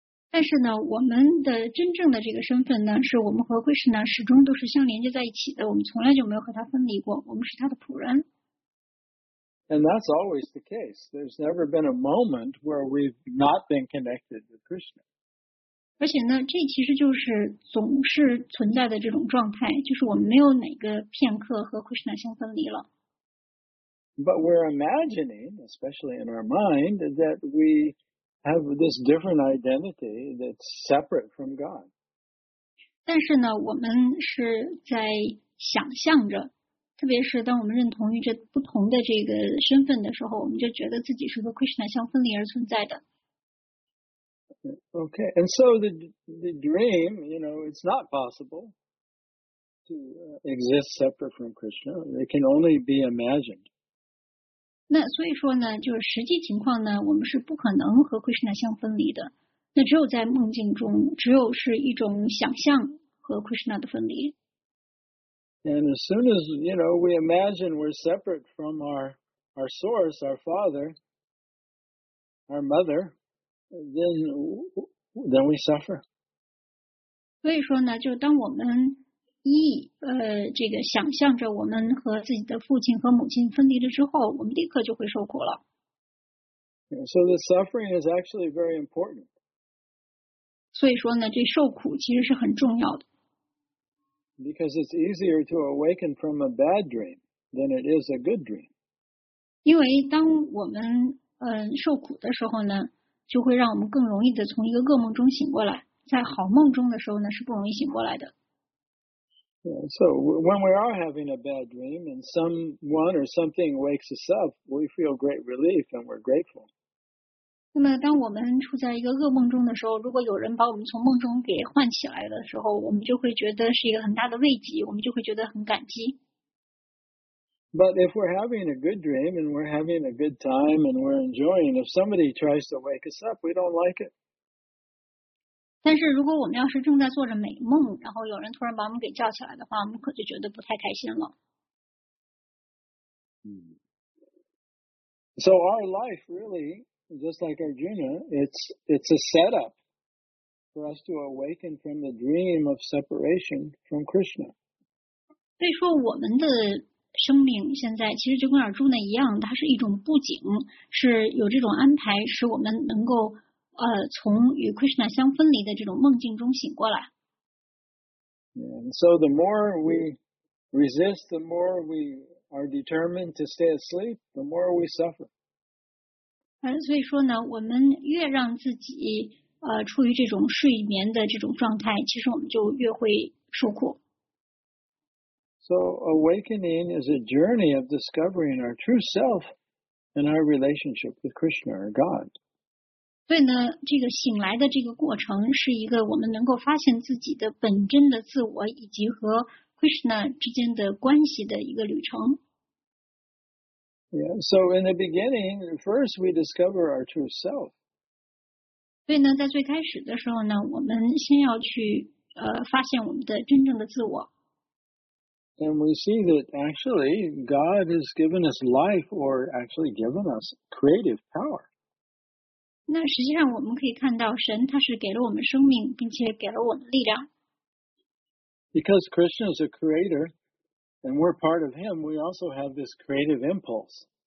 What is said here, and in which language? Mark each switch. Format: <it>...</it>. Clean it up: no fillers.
<zh>但是呢，我们的真正的这个身份呢，是我们和 Krishna 始终都是相连接在一起的，我们从来就没有和他分离过，我们是他的仆人。</zh> <en>And that's always the case. There's never been a moment where we've not been connected with Krishna.</en> <zh>而且呢，这其实就是总是存在的这种状态，就是我们没有哪个片刻和 Krishna 相分离了。</zh> <en>But we're imagining, especially in our mind, that we have this different identity that's separate from God.</en> <zh>但是呢，我们是在想象着，特别是当我们认同于这不同的这个身份的时候，我们就觉得自己是和 Krishna 相分离而存在的。</zh> <en>Okay, and so the dream, you know, it's not possible to exist separate from Krishna. It can only be imagined.</en> <zh>那所以说呢，就是实际情况呢，我们是不可能和 Krishna 相分离的。那只有在梦境中，只有是一种想象和 Krishna 的分离。</zh> <en>And as soon as you know, we imagine we're separate from our source, our father, our mother, then we suffer.</en> <zh>所以说呢，就当我们一这个想象着我们和自己的父亲和母亲分离了之后，我们立刻就会受苦了。</zh> <en>So the suffering is actually very important.</en> <zh>所以说呢，这受苦其实是很重要的。</zh> <en>Because it's easier to awaken from a bad dream. then it is a good dream.</en> <zh>因为当我们受苦的时候呢，就会让我们更容易的从一个噩梦中醒过来。在好梦中的时候呢，是不容易醒过来的。</zh> <en>Yeah, so when we are having a bad dream and someone or something wakes us up, we feel great relief and we're grateful.</en> <zh>那么当我们处在一个噩梦中的时候，如果有人把我们从梦中给唤起来的时候，我们就会觉得是一个很大的慰藉，我们就会觉得很感激。</zh> <en>But if we're having a good dream and we're having a good time and we're enjoying, if somebody tries to wake us up, we don't like it.</en> <zh>但是如果我们要是正在做着美梦，然后有人突然把我们给叫起来的话，我们可就觉得不太开心了。</zh> <en>So our life really, just like Arjuna, it's a setup for us to awaken from the dream of separation from Krishna.</en> <zh>所以说我们的生命现在其实就跟尔朱那一样，它是一种布景，是有这种安排使我们能够从与 Krishna 相分离的这种梦境中醒过来。</zh> <en>And so the more we resist, the more we are determined to stay asleep, the more we suffer.</en> <zh>所以说呢，我们越让自己处于这种睡眠的这种状态，其实我们就越会受苦。</zh> <en>So awakening is a journey of discovering our true self and our relationship with Krishna or God.</en> <zh>所以呢，这个醒来的这个过程是一个我们能够发现自己的本真的自我以及和 Krishna 之间的关系的一个旅程。</zh> <en>Yeah, so in the beginning, first we discover our true self.</en> <zh>所以呢，在最开始的时候呢，我们先要去发现我们的真正的自我。</zh> <en>And we see that actually God has given us life or actually given us creative power.</en> <zh>那实际上我们可以看到神他是给了我们生命并且给了我们力量。</zh> <en>Because Krishna is a creator and we're part of him, we also have this creative impulse.</en>